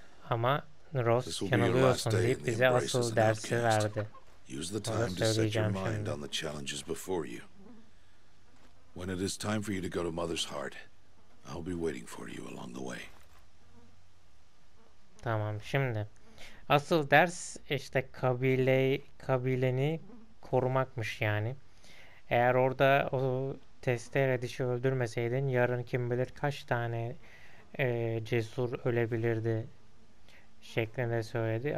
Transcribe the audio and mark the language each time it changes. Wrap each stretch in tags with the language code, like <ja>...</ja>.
<tr>Ama Rose, yanılıyorsun deyip bize asıl dersi verdi.</tr> <en>Use the time to set your mind on the challenges before you. When it is time for you to go to Mother's Heart, I'll be waiting for you along the way.</en> <tr>Tamam, şimdi asıl ders işte kabileni korumakmış yani. Eğer orada o testere dişi öldürmeseydin, yarın kim bilir kaç tane cesur ölebilirdi şeklinde söyledi.</tr>